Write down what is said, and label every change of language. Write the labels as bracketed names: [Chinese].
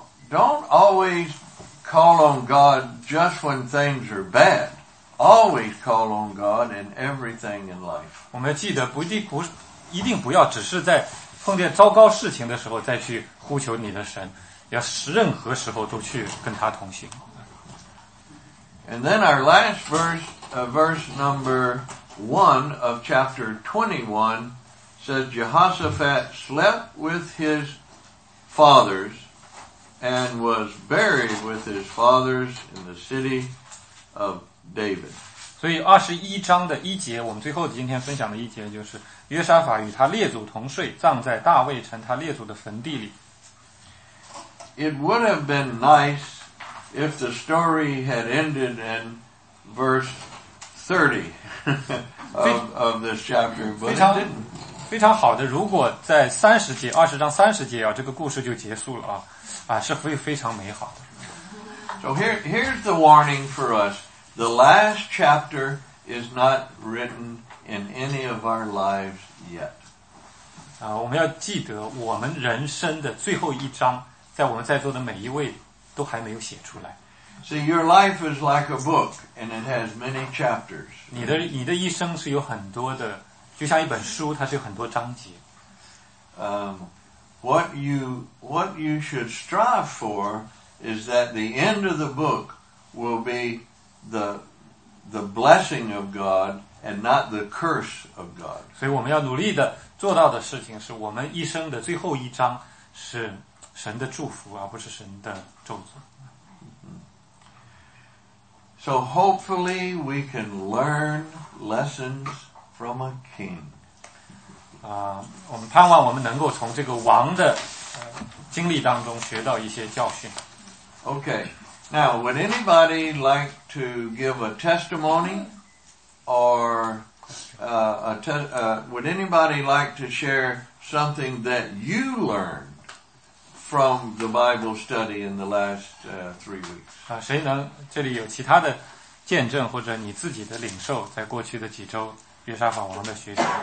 [English] Don't always call on God just when things are bad. Always call on God in everything in life. [Chinese] 我们记得不一定不要只是在碰见糟糕事情的时候再去呼求你的神，要任何时候都去跟他同行。 [English] And then our last verse, verse number 1 of chapter 21 says Jehoshaphat slept with his fathers and was buried with his fathers in the city of David. [Chinese] 所以21章的一节，我们最后今天分享的一节就是约沙法与他列祖同睡，葬在大卫城他列祖的坟地里。 [English] It would have been nice if the story had ended in verse 30 of this chapter, but it didn't. [Chinese] 非常好的，如果在30节，20章30节，这个故事就结束了是非常美好的。 [English] So here's the warning for us. The last chapter is not written in any of our lives yet. [Chinese] 我们要记得我们人生的最后一章在我们在座的每一位都还没有写出来。 [English] See, your life is like a book and it has many chapters. [Chinese] 你的一生是有很多的，就像一本书，它是有很多章节。 [English] What you should strive for is that the end of the book will be the blessing of God and not the curse of God. [Chinese] 所以我们要努力的做到的事情是我们一生的最后一章是神的祝福而不是神的咒诅。 [English] So hopefully we can learn lessons from a king. [Chinese] 我们盼望我们能够从这个王的经历当中学到一些教训。 [English] Okay, now would anybody like to give a testimony or would anybody like to share something that you learned from the Bible study in the last three weeks? [Chinese] 谁能这里有其他的见证或者你自己的领受在过去的几周约沙法王的学习？